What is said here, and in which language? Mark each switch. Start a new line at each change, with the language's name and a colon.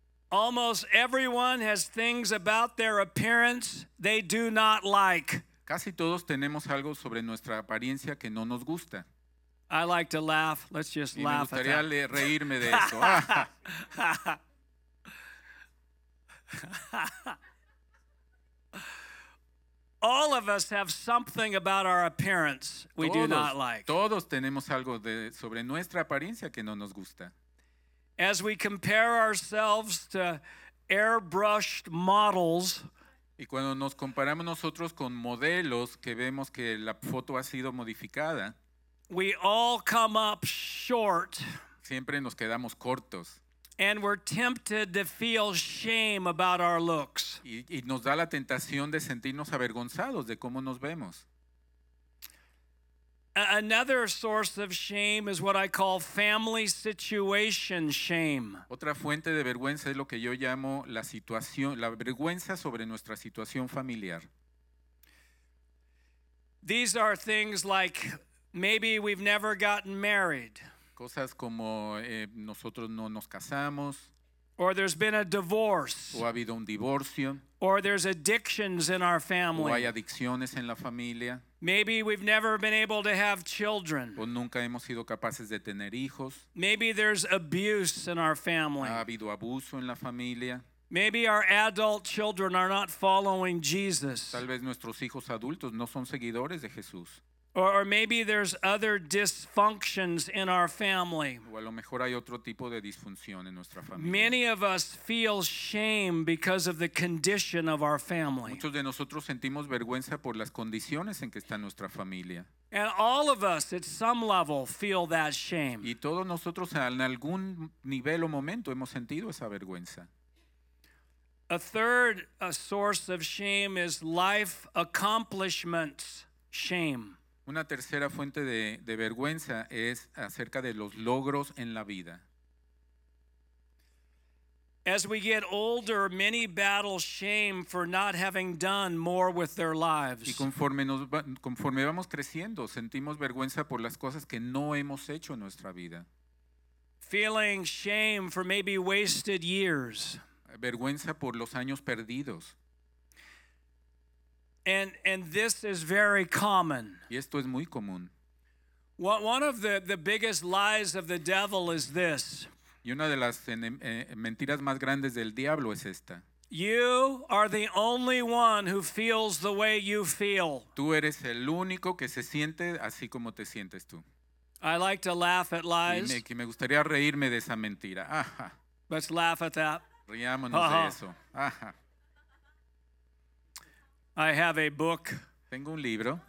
English: Almost everyone has things about their appearance they do not like.
Spanish: Casi todos tenemos algo sobre nuestra apariencia que no nos gusta.
English: I like to laugh. Let's just laugh at that.
Spanish: Me gustaría reírme de eso.
English: All of us have something about our appearance we do not like.
Spanish: Todos tenemos algo sobre nuestra apariencia que no nos gusta.
English: As we compare ourselves to airbrushed models,
Spanish: y cuando nos comparamos nosotros con modelos que vemos que la foto ha sido modificada,
English: we all come up short.
Spanish: Siempre nos quedamos cortos.
English: And we're tempted to feel shame about our looks.
Spanish: Y nos da la tentación de sentirnos avergonzados de cómo nos vemos.
English: Another source of shame is what I call family situation shame.
Spanish: Otra fuente de vergüenza es lo que yo llamo la situación, la vergüenza sobre nuestra situación familiar.
English: These are things like maybe we've never gotten married.
Spanish: Cosas como nosotros no nos casamos.
English: Or there's been a divorce.
Spanish: O ha habido un divorcio.
English: Or there's addictions in our family.
Spanish: O hay adicciones en la familia.
English: Maybe we've never been able to have children.
Spanish: O nunca hemos sido capaces de tener hijos.
English: Maybe there's abuse in our family.
Spanish: Ha habido abuso en la familia.
English: Maybe our adult children are not following Jesus.
Spanish: Tal vez nuestros hijos adultos no son seguidores de Jesús.
English: Or maybe there's other dysfunctions in our family.
Spanish: O a lo mejor hay otro tipo de disfunción en nuestra familia.
English: Many of us feel shame because of the condition of our family.
Spanish: Muchos de nosotros sentimos vergüenza por las condiciones en que está nuestra familia.
English: And all of us, at some level, feel that shame.
Spanish: Y todos nosotros en algún nivel o momento hemos sentido esa vergüenza.
English: A third source of shame is life accomplishments shame.
Spanish: Una tercera fuente de vergüenza es acerca de los logros en la vida.
English: As we get older, many battle shame for not having done more with their lives.
Spanish: Y conforme vamos creciendo, sentimos vergüenza por las cosas que no hemos hecho en nuestra vida.
English: Feeling shame for maybe wasted years.
Spanish: Vergüenza por los años perdidos.
English: And this is very common.
Spanish: Y esto es muy común.
English: One of the biggest lies of the devil is this.
Spanish: Y una de las mentiras más grandes del diablo es esta.
English: You are the only one who feels the way you feel.
Spanish: Tú eres el único que se siente así como te sientes tú.
English: I like to laugh at lies.
Spanish: Y me gustaría reírme de esa mentira.
English: Let's laugh at that.
Spanish: Riámonos uh-huh. de eso.
English: I have a book.
Spanish: Tengo un libro.